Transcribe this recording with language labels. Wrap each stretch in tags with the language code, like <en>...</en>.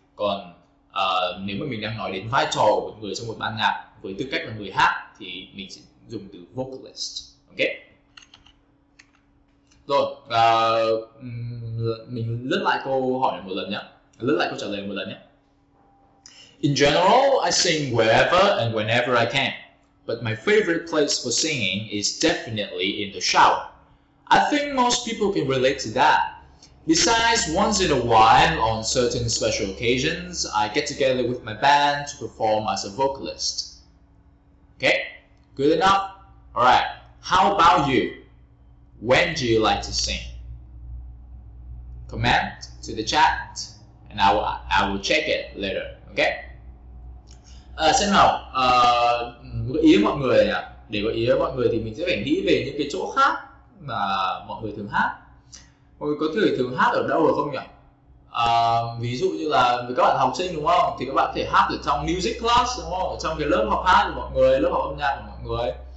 <vi>Còn nếu mà mình đang nói đến vai trò của người trong một ban nhạc với tư cách là người hát thì mình sẽ dùng từ vocalist. Ok, rồi mình lướt lại câu hỏi một lần nhé, lướt lại câu trả lời một lần nhé.</vi> <en>In general, I sing wherever and whenever I can, but my favorite place for singing is definitely in the shower. I think most people can relate to that. Besides, once in a while, on certain special occasions, I get together with my band to perform as a vocalist. Okay, good enough? Alright, how about you? When do you like to sing? Comment to the chat and I will check it later, okay?</en> <vi>Xem nào, gợi ý mọi người nhỉ? Để gợi ý mọi người thì mình sẽ phải nghĩ về những cái chỗ khác mà mọi người thường hát. Mọi người có thể thường hát ở đâu rồi không nhỉ? Ví dụ như là với các bạn học sinh đúng không? Thì các bạn có thể hát ở trong music class đúng không? Ở trong cái lớp học hát của mọi người, lớp học âm nhạc của mọi người.</vi>